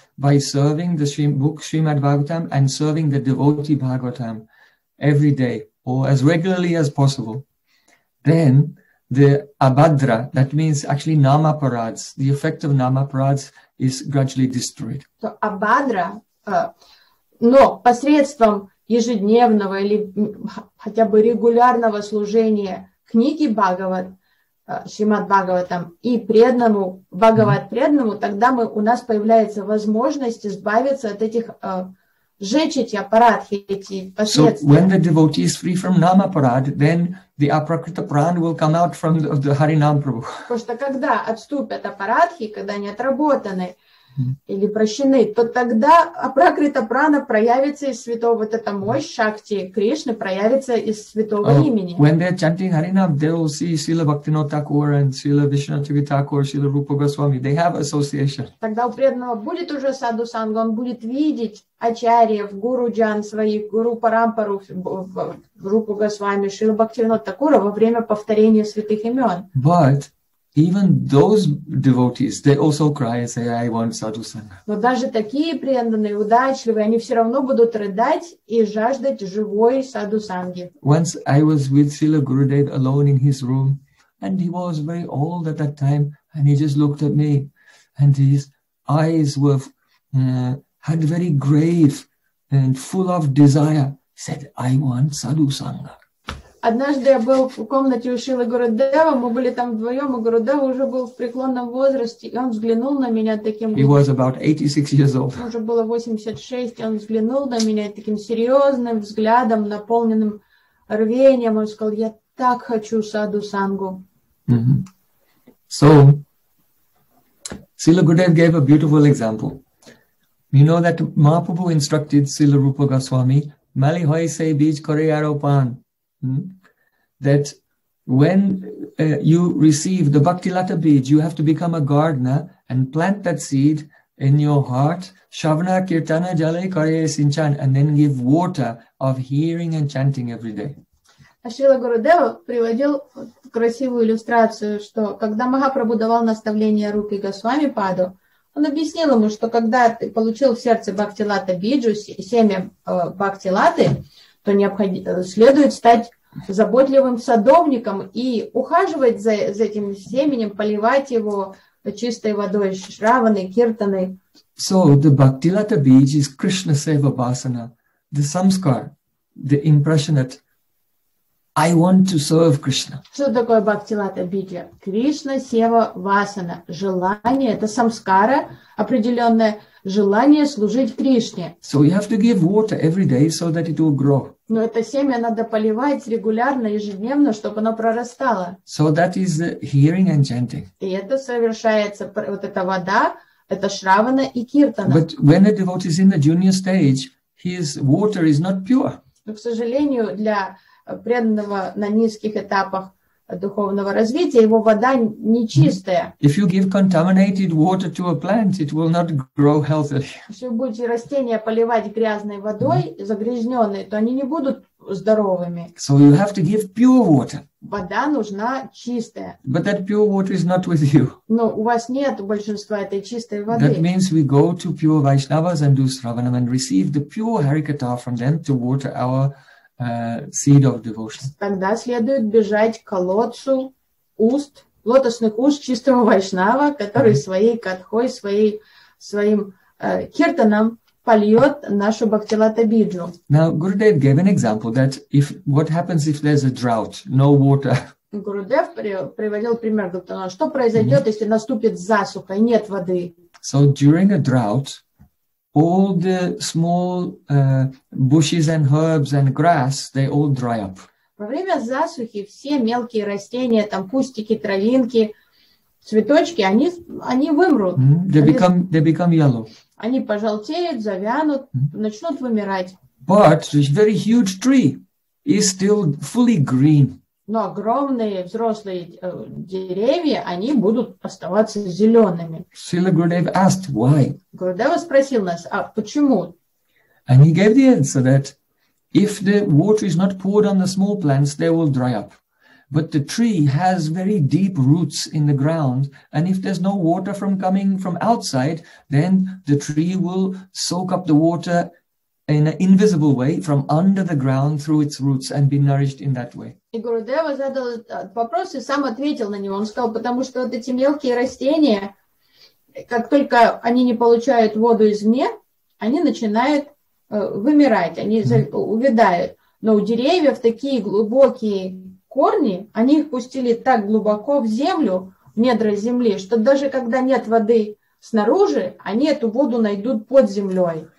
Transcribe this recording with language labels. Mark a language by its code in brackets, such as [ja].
[en] By serving the book Srimad Bhagavatam and serving the devotee Bhagavatam every day or as regularly as possible, then the Abhadra, that means actually Namaparads, the effect of Namaparads is gradually destroyed. [ru] So Abhadra, но посредством ежедневного или хотя бы регулярного служения книги Бхагават, Шримад Бхагаватам и преданному, Бхагават преданному, тогда мы, у нас появляется возможность избавиться от этих, сжечь эти аппаратхи, эти последствия. [en] So when the devotee is free from Namaparad, then the Aprakrita Pran will come out from the Harinam Prabhu. [ru] Потому что когда отступят аппаратхи, когда они отработаны или прощены, то тогда Апракрита Прана проявится из святого, вот эта мощь Шакти Кришны проявится из святого имени. [en] When they're chanting Harinam, they will see Srila Bhaktivinoda Thakur and Srila Vishnuchari Thakur, Srila Rupa Goswami. They have association. [ru] Тогда у преданного будет уже саду санга, он будет видеть ачарьев, гуру джан своих, гуру парампару, Рупу Госвами, Шрила Бхактивинода Такура во время повторения святых имен. [en] But even those devotees, they also cry and say, "I want sadhu sangha." [ru] Но даже такие преданные, удачливые, они все равно будут рыдать и жаждать живой саду санги. [en] Once I was with Srila Gurudev alone in his room, and he was very old at that time, and he just looked at me, and his eyes were had very grave and full of desire. Said, "I want sadhu sangha." [ru] Однажды я был в комнате у Шрилы Гурудева, мы были там вдвоем, и Гурудева уже был в преклонном возрасте, и он взглянул на меня таким... [en] He was about 86 years old. [ru] Уже было 86, и он взглянул на меня таким серьезным взглядом, наполненным рвением, он сказал, я так хочу саду сангу. [en] So, Srila Gurudev gave a beautiful example. You know that Mahaprabhu instructed Srila Rupa Goswami, [bn] Mali hoi se bij kore aropan. [en] That when you receive the Bhakti Lata Bij, you have to become a gardener and plant that seed in your heart, [bn] Shavana Kirtana Jale Kare Sinchan, [en] and then give water of hearing and chanting every day. [ru] Шрила Гурудева приводил красивую иллюстрацию, что когда Махапрабху давал наставление Рупи Госвами Паду, он объяснил ему, что когда ты получил в сердце Бхакти Лата Биджу, семя Бхакти Латы, то следует стать заботливым садовником и ухаживать за этим семенем, поливать его, чистой водой, шраваны, киртаны. [en] So the Bhakti Lata Beach is Krishna Seva Basana, the samskar, the impression that I want to serve Krishna. [ru] Что такое Бхакти Лата Биджа? Кришна Сева Васана. Желание, это самскара, определенное желание служить Кришне. [en] So you have to give water every day so that it will grow. [ru] Но это семя надо поливать регулярно, ежедневно, чтобы оно прорастало. [en] So that is the hearing and chanting. [ru] И это совершается, вот эта вода, это шравана и киртана. [en] But when a devotee is in the junior stage, his water is not pure. [ru] Но, к сожалению, для преданного на низких этапах духовного развития, его вода нечистая. [en] If you give contaminated water to a plant, it will not grow healthily. [ru] Если вы будете растения поливать грязной водой, загрязненной, то они не будут здоровыми. [en] So you have to give pure water. [ru] Вода нужна чистая. [en] But that pure water is not with you. [ru] Но у вас нет большинства этой чистой воды. [en] That means we go to pure Vaishnavas and do sravanam and receive the pure Harikatha from them to water our seed of devotion. [ru] Тогда следует бежать к колодцу уст, лотосных уст чистого вайшнава, который своей катхой, своим киртаном польет нашу бхактилата биджу. [en] Now Gurudev gave an example that if what happens if there's a drought, no water. [ru] Гурудев приводил пример, говорит, что произойдет, если наступит засуха и нет воды. [en] So during a drought, all the small bushes and herbs and grass, they all dry up. [ru] Во время засухи все мелкие растения, там кустики, травинки, цветочки, они вымрут. [en] Mm-hmm. They become yellow. [ru] Они пожелтеют, завянут, начнут вымирать. [en] But this very huge tree is still fully green. [ru] Но огромные взрослые деревья, они будут оставаться зелеными. [en] Шрила Гурудев asked why. [ru] Гурудева спросил нас, а почему? [en] And he gave the answer that if the water is not poured on the small plants, they will dry up. But the tree has very deep roots in the ground, and if there's no water from coming from outside, then the tree will soak up the water in an invisible way from under the ground through its roots and be nourished in that way. [ru] И Гурудева задал вопрос и сам ответил на него. Он сказал, потому что вот эти мелкие растения, как только они не получают воду извне, они начинают вымирать, они увядают. Но у деревьев такие глубокие корни, они их пустили так глубоко в землю, в недра земли, что даже когда нет воды снаружи, они эту воду найдут под землей.